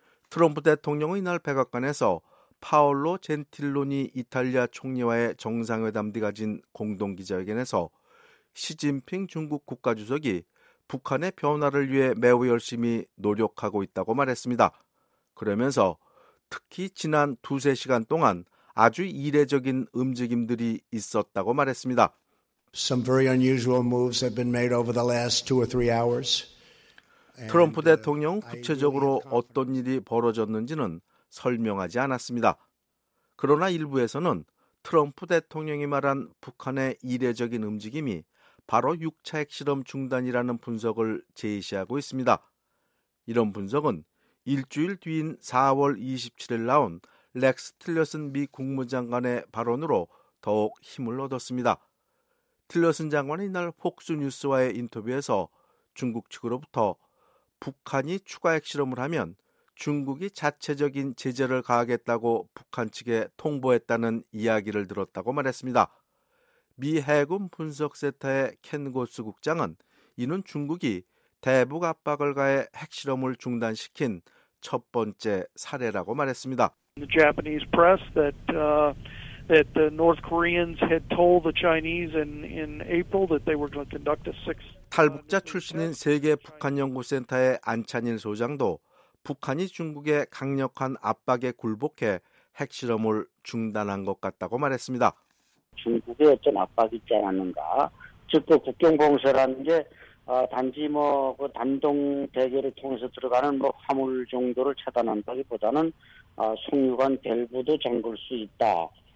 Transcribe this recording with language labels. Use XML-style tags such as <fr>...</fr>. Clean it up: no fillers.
<ko>트럼프 대통령은 이날 백악관에서 파올로 젠틸로니 이탈리아 총리와의 정상회담 뒤 가진 공동기자회견에서 시진핑 중국 국가주석이 북한의 변화를 위해 매우 열심히 노력하고 있다고 말했습니다. 그러면서 특히 지난 두세 시간 동안 아주 이례적인 움직임들이 있었다고 말했습니다.</ko> <en>Some very unusual moves have been made over the last two or three hours.</en> <ko>트럼프 대통령은 구체적으로 어떤 일이 벌어졌는지는 설명하지 않았습니다. 그러나 일부에서는 트럼프 대통령이 말한 북한의 이례적인 움직임이 바로 6차 핵실험 중단이라는 분석을 제시하고 있습니다. 이런 분석은 일주일 뒤인 4월 27일 나온 렉스 틸러슨 미 국무장관의 발언으로 더욱 힘을 얻었습니다. 틸러슨 장관이 이날 폭스뉴스와의 인터뷰에서 중국 측으로부터 북한이 추가 핵실험을 하면 중국이 자체적인 제재를 가하겠다고 북한 측에 통보했다는 이야기를 들었다고 말했습니다. 미 해군 분석센터의 켄 고스 국장은 이는 중국이 대북 압박을 가해 핵실험을 중단시킨 첫 번째 사례라고 말했습니다.</ko> <en>The Japanese press that the North Koreans had told the Chinese in April that they were going to conduct a sixth.</en> <ko>탈북자 출신인 세계 북한 연구센터의 안찬일 소장도 북한이 중국의 강력한 압박에 굴복해 핵실험을 중단한 것 같다고 말했습니다. 중국의 어떤 압박이 있지 않았는가? 즉, 그 국경 봉쇄라는 게 단지 뭐 그 단독 대결을 통해서 들어가는 뭐 화물 정도를 차단한다기보다는 송유관 밸브도 잠글 수 있다.</ko>